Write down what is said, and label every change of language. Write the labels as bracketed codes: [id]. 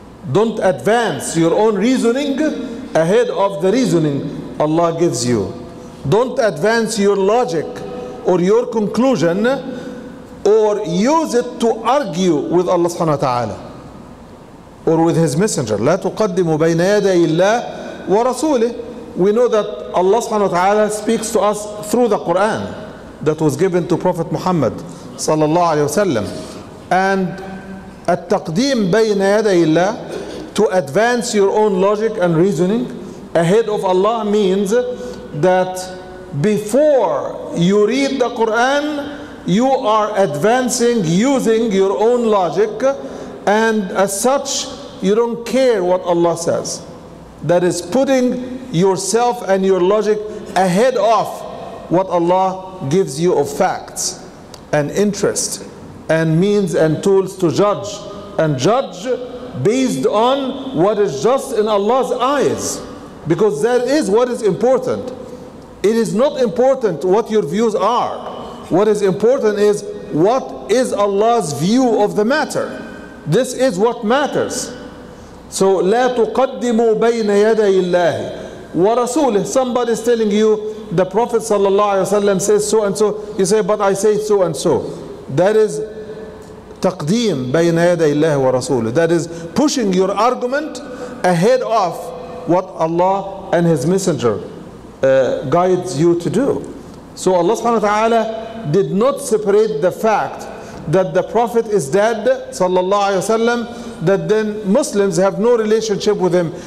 [en] Don't advance your own reasoning ahead of the reasoning Allah gives you. Don't advance your logic or your conclusion or use it to argue with Allah subhanahu wa ta'ala or with His Messenger. [ar] لا تقدموا بين يدي الله ورسوله. [en] We know that Allah subhanahu wa ta'ala speaks to us through the Quran that was given to Prophet Muhammad sallallahu alayhi wasallam. And [ar] التقديم بين يدي الله, [en] to advance your own logic and reasoning ahead of Allah, means that before you read the Quran, you are advancing using your own logic, and as such, you don't care what Allah says. That is putting yourself and your logic ahead of what Allah gives you of facts and interest and means and tools to judge, and judge based on what is just in Allah's eyes, because that is what is important. It is not important what your views are. What is important is what is Allah's view of the matter. This is what matters. So [ar] لا تقدموا بين يدي الله ورسوله. [en] Somebody is telling you the Prophet sallallahu alaihi wasallam says so and so. You say, but I say so and so. That is [ar] تقديم بين يدي الله ورسوله. [en] That is pushing your argument ahead of what Allah and His Messenger guides you to do. So Allah subhanahu wa ta'ala did not separate the fact that the Prophet is dead sallallahu alaihi wasallam, that then Muslims have no relationship with him.